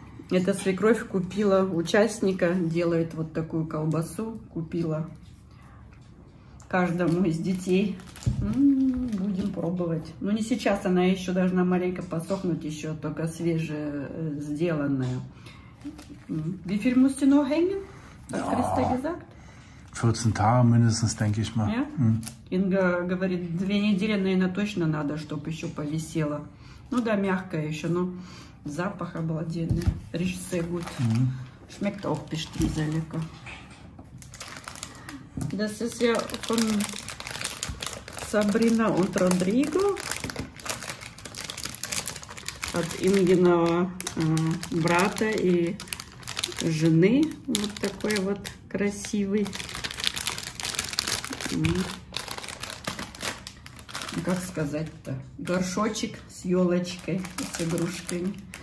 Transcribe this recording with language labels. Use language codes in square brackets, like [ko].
[ru] Это свекровь купила участника, делает вот такую колбасу, купила. Каждому из детей будем пробовать. Ну, не сейчас, она еще должна маленько посохнуть, еще только свеже сделанная. [de] Wie viel musst du noch hängen? Was hast du gesagt? 14 Tage mindestens, denke ich mal. Ja? [ru] Инга говорит, 2 недели, наверное, точно надо, чтобы еще повисело. Ну да, мягкое еще, но запах обалденный. Режиссер будет. [de] Schmeckt auch bestimmt sehr lecker. Das ist ja von Sabrina und Rodrigo. [ru] От Ингиного брата и жены. Вот такой вот красивый. как сказать-то, горшочек с елочкой и с игрушками.